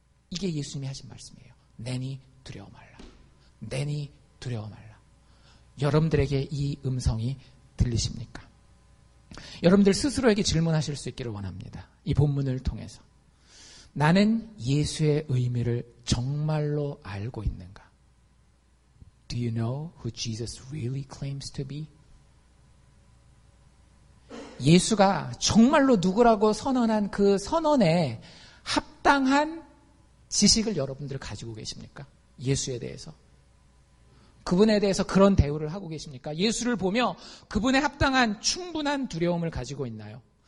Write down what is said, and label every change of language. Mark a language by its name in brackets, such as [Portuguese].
[Korean] 이게 예수님이 하신 말씀이에요. 내니 두려워 말라. 내니 두려워 말라. 여러분들에게 이 음성이 들리십니까? 여러분들 스스로에게 질문하실 수 있기를 원합니다. 이 본문을 통해서 나는 예수의 의미를 정말로 알고 있는가? [English] Do you know who Jesus really claims to be? [Korean] 예수가 정말로 누구라고 선언한 그 선언에 합당한 지식을 여러분들 가지고 계십니까? 예수에 대해서 그분에 대해서 그런 대우를 하고 계십니까? 예수를 보며 그분에 합당한 충분한 두려움을 가지고 있나요?